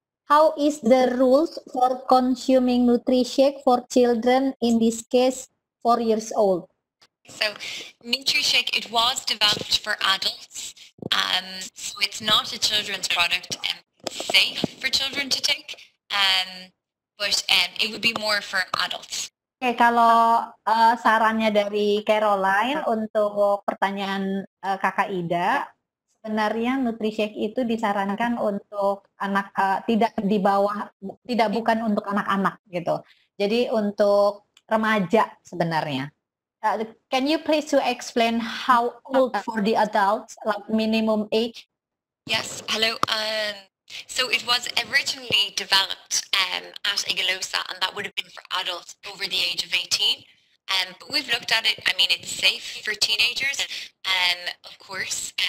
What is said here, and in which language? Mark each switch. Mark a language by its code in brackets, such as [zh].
[en] How is the rules for consuming Nutrishake for children, in this case 4 years old? So Nutrishake, it was developed for adults, so it's not a children's product and safe for children to take, but it would be more for adults. [id] Oke, okay, kalau sarannya dari Caroline untuk pertanyaan Kakak Ida, sebenarnya Nutrishake itu disarankan untuk anak bukan untuk anak-anak gitu. Jadi untuk remaja sebenarnya. [en] Can you please to explain how old for the adults, like minimum age? Yes, hello. So it was originally developed at Igalosa, and that would have been for adults over the age of 18. But we've looked at it. I mean, it's safe for teenagers, of course.